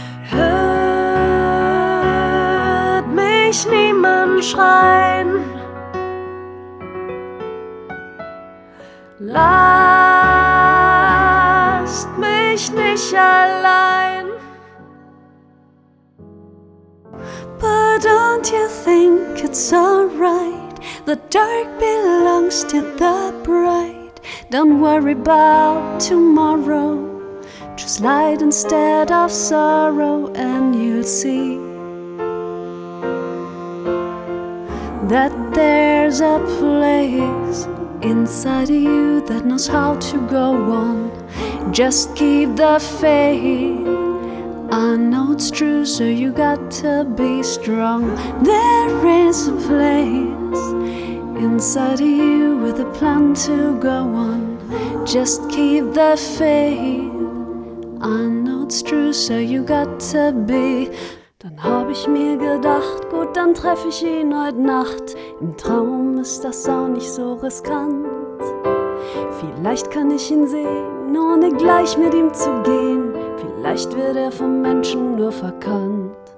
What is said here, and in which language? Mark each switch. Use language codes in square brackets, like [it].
[de] Hört mich niemand schreien, lasst mich nicht allein. [en] But don't you think it's alright? The dark belongs to the bright. Don't worry about tomorrow, choose light instead of sorrow, and you'll see that there's a place inside of you that knows how to go on. Just keep the faith, I know it's true, so you got to be strong. There is a place inside of you with a plan to go on. Just keep the faith, I know it's true, so you got to be. [de] Dann hab ich mir gedacht, gut, dann treff ich ihn heute Nacht. Im Traum ist das auch nicht so riskant. Vielleicht kann ich ihn sehen, ohne gleich mit ihm zu gehen. Vielleicht wird er vom Menschen nur verkannt.